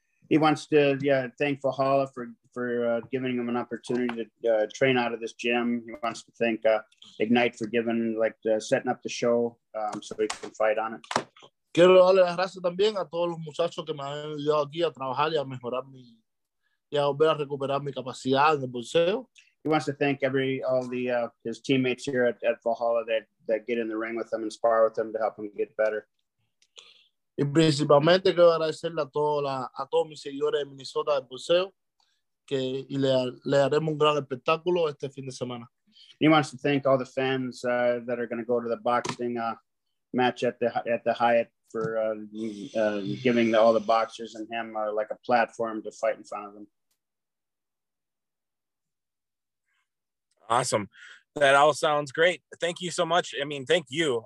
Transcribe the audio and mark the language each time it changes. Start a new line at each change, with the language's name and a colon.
English: He wants to thank Valhalla for giving him an opportunity to train out of this gym. He wants to thank Ignite for giving setting up the show so he can fight on it.
Spanish: Quiero darle las gracias también a todos los muchachos que me han ayudado aquí a trabajar y a mejorar mi y a volver a recuperar mi capacidad en el boxeo.
English: He wants to thank all his teammates here at Valhalla that get in the ring with him and spar with him to help him get better.
Spanish: Y principalmente quiero agradecerle a todos mis seguidores de Minnesota del boxeo y le haremos un gran espectáculo este fin de semana.
English: He wants to thank all the fans that are going to go to the boxing match at the Hyatt for giving all the boxers and him like a platform to fight in front of them. Awesome. That all sounds great. Thank you so much. I mean, thank you.